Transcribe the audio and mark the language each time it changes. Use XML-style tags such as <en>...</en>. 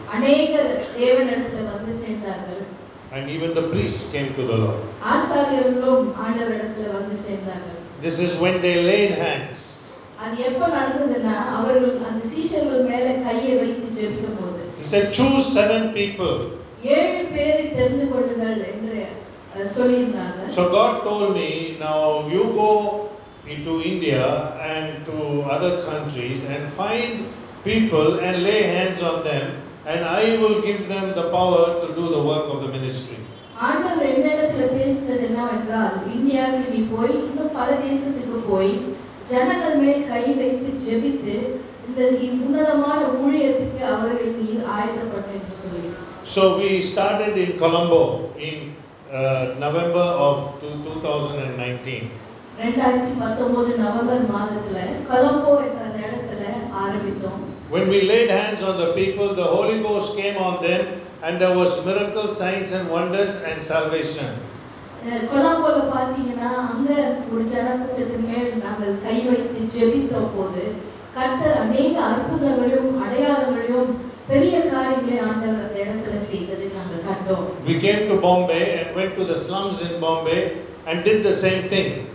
<ta>அநேகர் தேவனிடத்தில் வந்து சேர்ந்தார்கள்.</ta> <en>And even the priests came to the Lord.</en> <ta>ஆசாரியர்களும் ஆண்டவரிடத்தில் வந்து சேர்ந்தார்கள்.</ta> <en>This is when they laid hands.</en> <ta>அது எப்போ நடந்ததுன்னா அவர்கள் அந்த சீஷர்கள் மேலே கையை வைத்து ஜெபிக்கும் போது.</ta> <en>He said, choose 7 people.</en> <ta>7 பேரை தெரிந்து கொள்ளுங்கள் என்று</ta> <en>So God told me, now you go into India and to other countries and find people and lay hands on them, and I will give them the power to do the work of the ministry.</en> <ta>ஆண்டவர் என்னிடத்தில் பேசினது என்னவென்றால், இந்தியாவுக்கு நீ போய், இன்னும் பல தேசத்துக்கு போய், ஜனங்கள் மேல் கை வைத்து ஜெபித்து, இந்த உன்னதமான ஊழியத்துக்கு அவர்கள் நீ ஆயத்தப்பட்டேன் என்று சொல்லி.</ta> <en>So we started in Colombo in November of 2019.</en> <ta>2019 November மாதத்தில் கொலம்போ என்ற அந்த இடத்துல ஆரம்பித்தோம்.</ta> <en>When we laid hands on the people, the Holy Ghost came on them, and there was miracles, signs and wonders and salvation.</en> <ta>கொலம்போல பாத்தீங்கனா அங்க ஒரு ஜனக்கூட்டத்தின் மேல் நாங்கள் கை வைத்து ஜெபித்தபோது கர்த்தர் அநேக அற்புதங்களையும் அடையாளங்களையும் பெரிய காரியங்களை ஆண்டவர் அந்த இடத்துல செய்ததை நாங்கள் கண்டோம்.</ta> <en>We came to Bombay and went to the slums in Bombay and did the same thing.</en>